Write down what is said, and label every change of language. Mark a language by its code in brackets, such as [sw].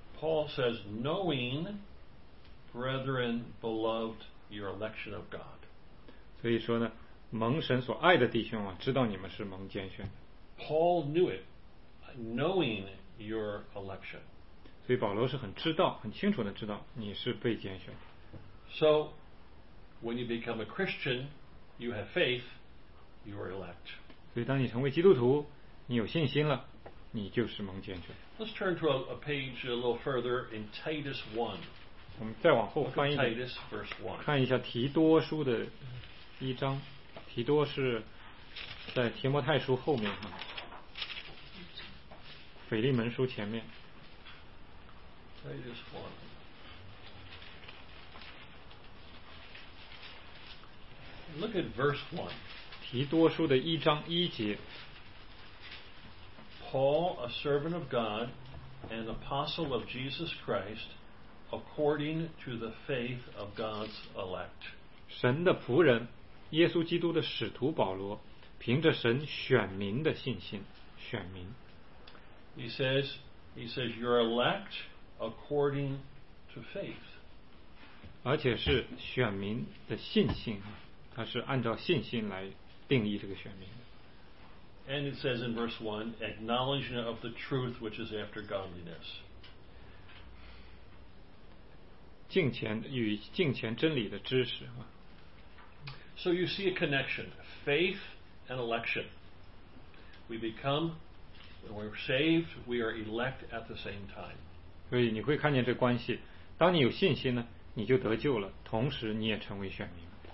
[en] Paul says, "Knowing, brethren, beloved, your election of God." [zh] 所以说呢，蒙神所爱的弟兄啊，知道你们是蒙拣选的。 [en] Paul knew it, knowing your election. [zh] 所以保罗是很知道，很清楚的知道你是被拣选的。 [en] So, when you become a Christian, you have faith, you are elect. [zh] 所以当你成为基督徒，你有信心了。你就是蒙拣选。 [en] Let's turn to a page a little further in Titus 1. [zh] 我们再往后翻一下 [en] Titus verse 1. [zh] 看一下提多书的一章。提多是在提摩太书后面，腓利门书前面。 [en] Titus 1. Look at verse 1. [zh] 提多书的一章一节。 [en] Paul, a servant of God, and apostle of Jesus Christ, according to the faith of God's elect. [zh] 神的仆人，耶稣基督的使徒保罗，凭着神选民的信心，选民。 [en] He says, you're elect according to faith. [zh] 而且是选民的信心，他是按照信心来定义这个选民。 [en] And it says in verse 1, acknowledging of the truth which is after godliness. [zh] 敬虔与敬虔真理的知识。 [en] So you see a connection, faith and election. We become, when we're saved, we are elect at the same time. [zh] 所以你会看见这关系，当你有信心呢，你就得救了，同时你也成为选民。